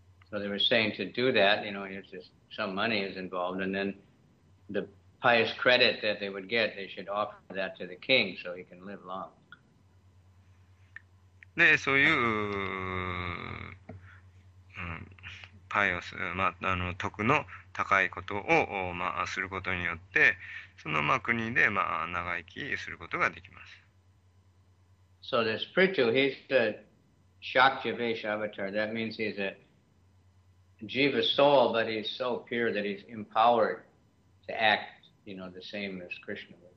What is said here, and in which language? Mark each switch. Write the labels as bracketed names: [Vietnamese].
[English] So they were saying to do that, you know, it's just some money is involved, and then the pious credit that they would get, they should offer that to the king so he can live long. [Japanese] で、そういう、パイオス、まあ、あの、徳の高いことを、まあ、することによって、その、まあ、国で、まあ、長生きすることができます。 [English] So this Prithu, he's the Shakyavesha avatar. That means he's a Jiva soul, but he's so pure that he's empowered to act, you know, the same as Krishna.